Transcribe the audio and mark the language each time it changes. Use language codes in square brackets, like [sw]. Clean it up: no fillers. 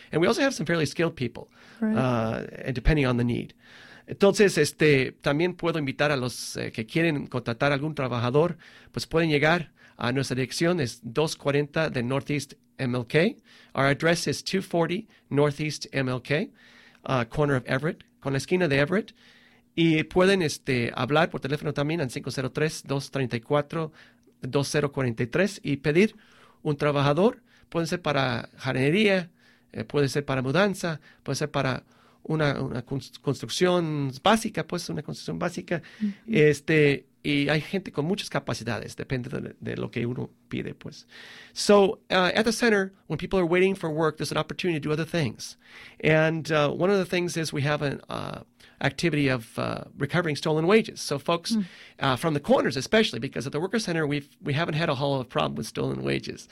[en] And we also have some fairly skilled people, right. And depending on the need. [es] Entonces, también puedo invitar a los que quieren contratar algún trabajador, pues pueden llegar a nuestra dirección, es 240 de Northeast MLK. [en] Our address is 240 Northeast MLK, corner of Everett, [es] con la esquina de Everett. Y pueden hablar por teléfono también al 503-234-2043 y pedir un trabajador. Puede ser para jardinería, puede ser para mudanza, puede ser para una construcción básica, pues una construcción básica. Mm-hmm. Y hay gente con muchas capacidades, depende de lo que uno pide, pues. [en] So, at the center, when people are waiting for work, there's an opportunity to do other things. And one of the things is we have an activity of recovering stolen wages. So folks from the corners, especially, because at the Worker Center, we haven't had a whole lot of problem with stolen wages.